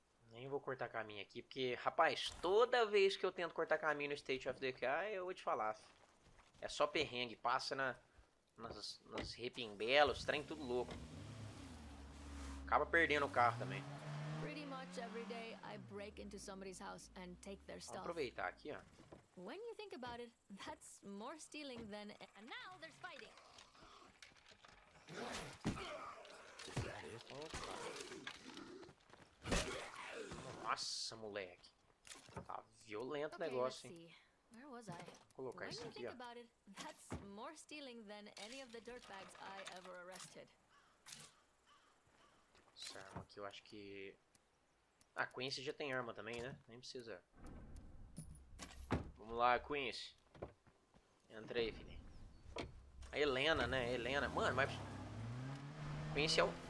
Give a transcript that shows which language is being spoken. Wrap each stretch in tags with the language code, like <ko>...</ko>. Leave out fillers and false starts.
<pt>Nem vou cortar caminho aqui, porque, rapaz, toda vez que eu tento cortar caminho no State of Decay, eu vou te falar. É só perrengue, passa nas repimbelos, trem tudo louco. Acaba perdendo o carro também.</pt> <en>Pretty much every day I break into somebody's house and take their stuff.</en> <pt>Vou aproveitar aqui, ó.</pt> <en>When you think about it, that's more stealing than... And now they're fighting. Is that it?</en> <pt>Opa. Nossa, moleque. Tá violento o negócio, hein? Vou colocar isso aqui, ó.</pt> <en>That's more stealing than any of the dirtbags I ever arrested.</en> <pt>Essa arma aqui eu acho que... Ah, Quincy já tem arma também, né? Nem precisa. Vamos lá, Quincy. Entra aí, filho. A Helena, né? Helena. Mano, mas... Quincy é o...</pt>